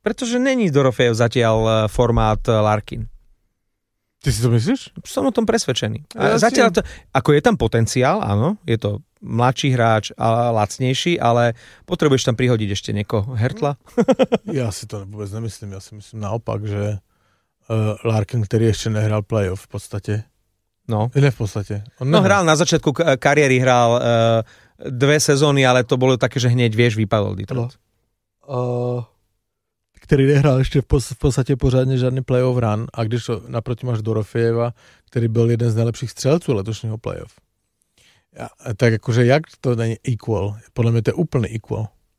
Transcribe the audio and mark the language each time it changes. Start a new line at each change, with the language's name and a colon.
Slovak: Pretože není Dorofiev zatiaľ formát Larkin. Ty si to myslíš? Som o tom presvedčený. Ja zatiaľ to, ako je tam potenciál, áno, je to mladší hráč a lacnejší, ale potrebuješ tam prihodiť ešte niekoho Hertla? Ja si to vôbec nemyslím. Ja si myslím naopak, že Larkin, ktorý ešte nehral playoff v podstate. No. Ne v podstate. On no hral na začiatku kariéry, hral dve sezóny, ale to bolo také, že hneď vieš, vypadol Detroit.
Czech: Který nehrál ještě v podstatě pořádně žádný playoff run, a když to naproti máš Dorofieva, který byl jeden z nejlepších střelců letošního playoff. Ja, tak jakože jak to není equal? Podle mě to je úplný equal.